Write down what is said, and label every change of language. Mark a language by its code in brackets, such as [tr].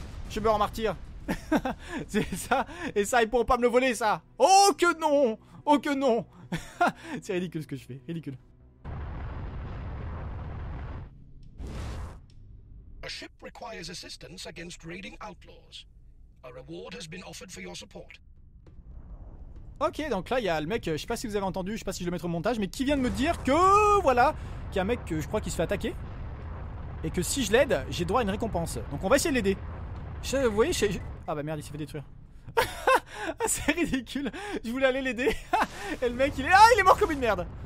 [fr] Je meurs en martyr. C'est ça. Et ça, ils pourront pas me le voler, ça. Oh que non. C'est ridicule ce que je fais. Ridicule. [en] A ship requires assistance against raiding outlaws. A reward has been offered for your support. [fr] Ok, donc là il y a le mec, je sais pas si vous avez entendu, je sais pas si je vais le mettre au montage, mais qui vient de me dire que voilà, qu'il y a un mec que je crois qu'il se fait attaquer. Et que si je l'aide, j'ai droit à une récompense. Donc on va essayer de l'aider. Vous voyez, ah bah merde, il s'est fait détruire. C'est ridicule, je voulais aller l'aider. Et le mec il est. Ah, il est mort comme une merde.